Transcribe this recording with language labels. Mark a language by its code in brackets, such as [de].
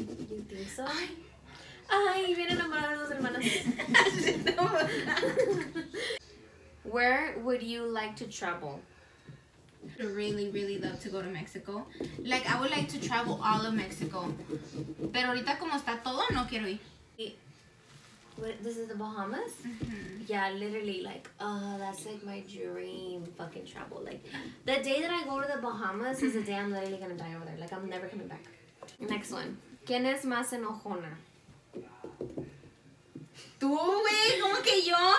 [es] You think so? Ay, bien enamorada de dos hermanas. [en] Where would you like to travel? I really, really love to go to Mexico. Like, I would like to travel all of Mexico. [es] Pero ahorita como está todo, no quiero ir. [en] What, this is the Bahamas? Mm-hmm. Yeah, literally, like, oh, that's like my dream fucking travel. Like, the day that I go to the Bahamas is the day I'm literally gonna die over there. Like, I'm never coming back. Next one. [es] ¿Quién es más enojona? Tú, güey, ¿cómo que yo?